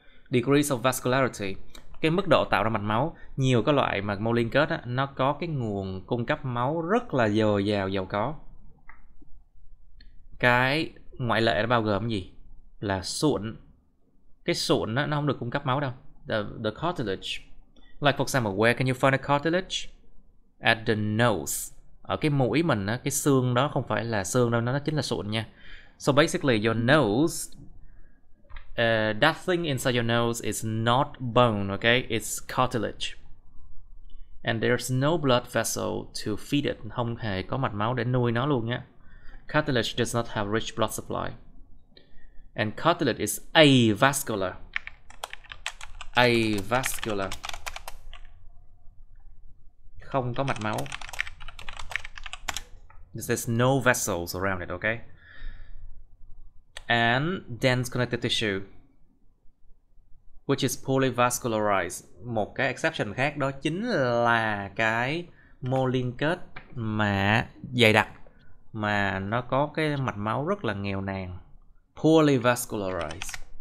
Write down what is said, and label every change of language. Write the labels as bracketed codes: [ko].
[en] Degrees of vascularity, [vi] cái mức độ tạo ra mạch máu. Nhiều cái loại mà mô liên kết á, nó có cái nguồn cung cấp máu rất là dồi dào, giàu có. Cái ngoại lệ nó bao gồm cái gì? Là sụn. Cái sụn nó không được cung cấp máu đâu. [en] the cartilage. Like for example, where can you find a cartilage? At the nose. [vi] Ở cái mũi mình á, cái xương đó không phải là xương đâu, nó chính là sụn nha. [en] So basically your nose, that thing inside your nose is not bone, okay? It's cartilage. And there's no blood vessel to feed it. [vi] Không hề có mạch máu để nuôi nó luôn nha. [en] Cartilage does not have rich blood supply. And cartilage is avascular. Avascular. [vi] Không có mạch máu. [en] There's no vessels around it, okay? And dense connective tissue, which is poorly vascularized. [vi] Một cái exception khác đó chính là cái mô liên kết mà dày đặc, mà nó có cái mạch máu rất là nghèo nàn. [en] Poorly vascularized.